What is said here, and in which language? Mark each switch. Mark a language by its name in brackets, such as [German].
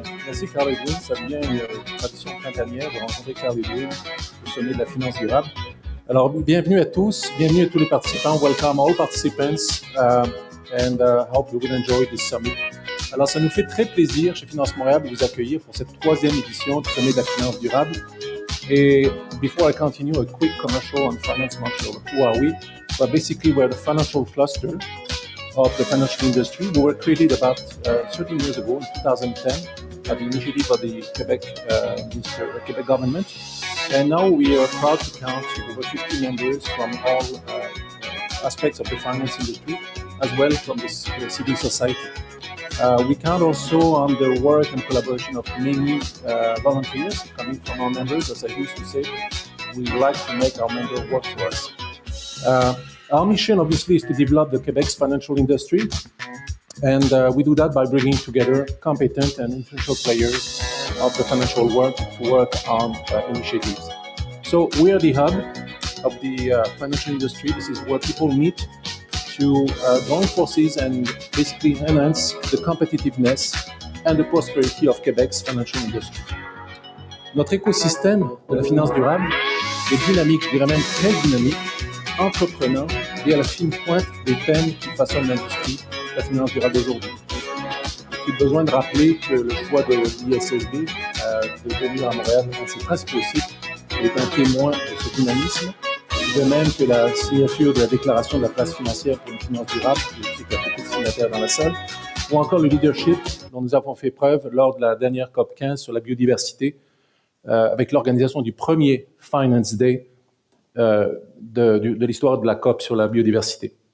[French] Merci Carl Edwin, ça devient une tradition printanière de rencontrer Carl Edwin au sommet de la finance durable. Alors, bienvenue à tous, bienvenue à tous les participants. [English] Welcome all participants and hope you will enjoy this summit. [French] Alors, ça nous fait très plaisir chez Finance Montréal de vous accueillir pour cette troisième édition du sommet de la finance durable. [English] Et before I continue, a quick commercial on Finance Montreal. Who are we? But basically, we're the financial cluster of the financial industry. We were created about 13 years ago, in 2010, at the initiative of the Quebec Quebec government. And now we are proud to count over 50 members from all aspects of the finance industry, as well from the civil society. We count also on the work and collaboration of many volunteers coming from our members. As I used to say, we like to make our members work for us. Our mission, obviously, is to develop the Quebec's financial industry. And we do that by bringing together competent and influential players of the financial world to work on initiatives. So we are the hub of the financial industry. This is where people meet to join forces and basically enhance the competitiveness and the prosperity of Quebec's financial industry. [French] Notre écosystème de la finance durable est dynamique, je dirais même très dynamique, entreprenant et à la fine pointe des thèmes qui façonnent l'industrie, la finance durable d'aujourd'hui. J'ai besoin de rappeler que le choix de l'ISSB de venir à Montréal dans ses principaux sites est un témoin de ce dynamisme, de même que la signature de la déclaration de la place financière pour une finance durable, je sais qu'il y a beaucoup de signataires dans la salle, ou encore le leadership dont nous avons fait preuve lors de la dernière COP15 sur la biodiversité, avec l'organisation du premier Finance Day de l'histoire de la COP sur la biodiversité.